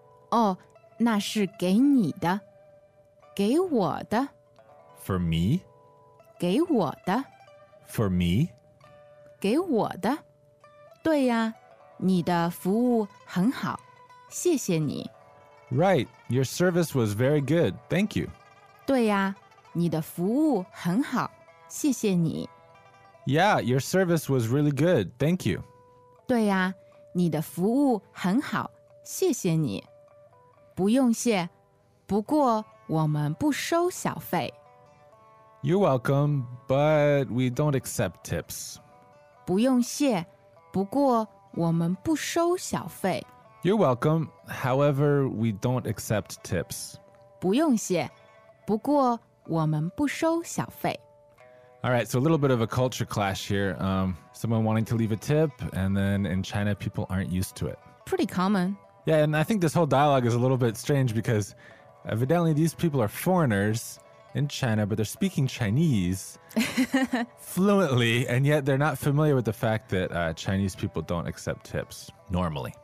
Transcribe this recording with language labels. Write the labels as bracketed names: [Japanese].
[Chinese] 哦, 那是给你的。给我的。 [English] For me? [Chinese] 给我的? [English] For me? [Chinese] 给我的? 对呀, 你的服务很好,谢谢你。 [English] Right, your service was very good, thank you. [Chinese] 对呀, 你的服务很好,谢谢你。 [English] Yeah, your service was really good, thank you. [Chinese] 对呀, 你的服务很好,谢谢你。不用谢, 不过我们不收小费。 [English] You're welcome, but we don't accept tips. [Chinese] 不用谢, 不过我们不收小费。 [English] You're welcome, however, we don't accept tips. [Chinese] 不用谢, 不过我们不收小费。 [English] All right, so a little bit of a culture clash here. Someone wanting to leave a tip, and then in China, people aren't used to it. Pretty common. Yeah, and I think this whole dialogue is a little bit strange because evidently these people are foreigners, in China, but they're speaking Chinese fluently, and yet they're not familiar with the fact that Chinese people don't accept tips normally.